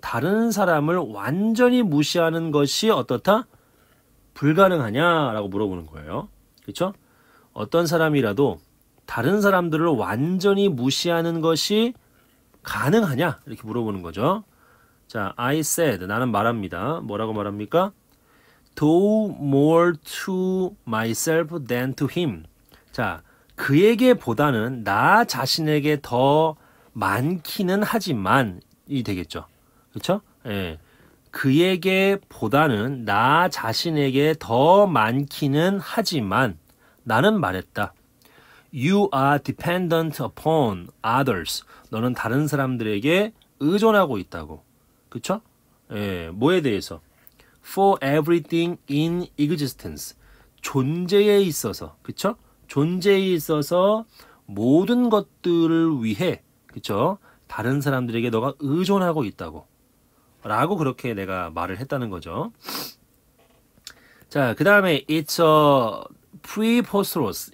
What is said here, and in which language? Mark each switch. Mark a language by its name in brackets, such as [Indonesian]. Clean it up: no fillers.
[Korean] 다른 사람을 완전히 무시하는 것이 어떻다? 불가능하냐라고 물어보는 거예요. 그렇죠? 어떤 사람이라도 다른 사람들을 완전히 무시하는 것이 가능하냐? 이렇게 물어보는 거죠. 자, [English] I said, [Korean] 나는 말합니다. 뭐라고 말합니까? [English] Do more to myself than to him. [Korean] 자, 그에게 보다는 나 자신에게 더 많기는 하지만 이 되겠죠. 그렇죠? 예. 그에게 보다는 나 자신에게 더 많기는 하지만 나는 말했다. [English] You are dependent upon others. [Korean] 너는 다른 사람들에게 의존하고 있다고. 그렇죠? 예. 뭐에 대해서? [English] For everything in existence. [Korean] 존재에 있어서. 그렇죠? 존재에 있어서 모든 것들을 위해, 그쵸? 다른 사람들에게 너가 의존하고 있다고. 라고 그렇게 내가 말을 했다는 거죠. 자, [English] 그 다음에, it's a preposterous.